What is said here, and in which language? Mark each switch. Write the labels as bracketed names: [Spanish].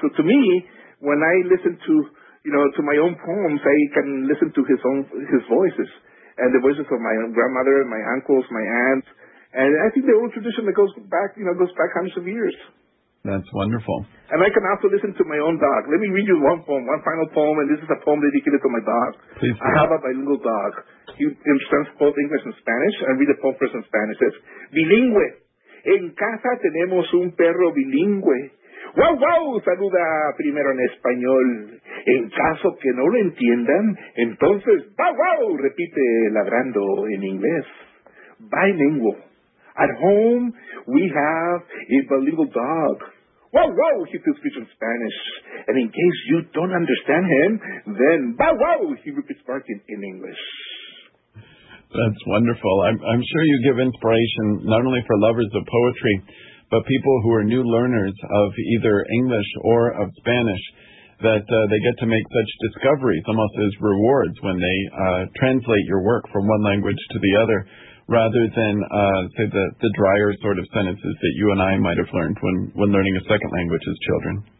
[English] So to me, when I listen to to my own poems, I can listen to his voices, and the voices of my grandmother, my uncles, my aunts, and I think the old tradition that goes back hundreds of years. That's wonderful. And I can also listen to my own dog. Let me read you one poem, one final poem, and this is a poem dedicated to my dog. Please do. I have a bilingual dog. He understands both English and Spanish. I read the poem first in Spanish. It says, Bilingüe. [Spanish] En casa tenemos un perro bilingüe. Wow, wow, saluda primero en español. En caso que no lo entiendan, entonces, wow, wow, repite ladrando en inglés. [English] Bilingual. At home, we have a bilingual dog. Wow, wow, he still speaks in Spanish. And in case you don't understand him, then, wow, wow, he repeats barking in English. That's wonderful. I'm sure you give inspiration not only for lovers of poetry, but people who are new learners of either English or of Spanish, that they get to make such discoveries, almost as rewards, when they translate your work from one language to the other, rather than, say, the drier sort of sentences that you and I might have learned when learning a second language as children.